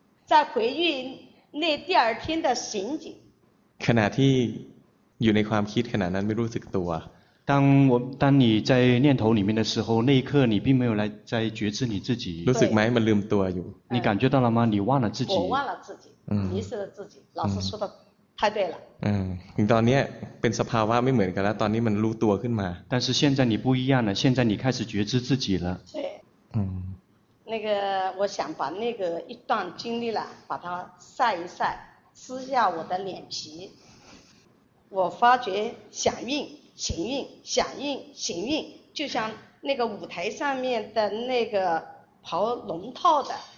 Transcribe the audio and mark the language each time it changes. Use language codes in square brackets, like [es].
[zh] 在回忆那第二天的情景 [th] ขณะที่อยู่ในความคิดขณะนั้นไม่รู้สึกตัว [zh] 当你在念头里面的时候那一刻你并没有来在觉知你自己 [th] รู้สึกไหมมันลืมตัวอยู่ [zh] 你感觉到了吗你忘了自己我忘了自己迷失了自己老师说的太对了 [th] ตอนนี้เป็นสภาวะไม่เหมือนกันแล้วตอนนี้มันรู้ตัวขึ้นมา [zh] 但是现在你不一样了现在你开始觉知自己了对那个我想把那个一段经历了把它晒一晒撕下我的脸皮我发觉响应行运响应行运就像那个舞台上面的那个跑龙套的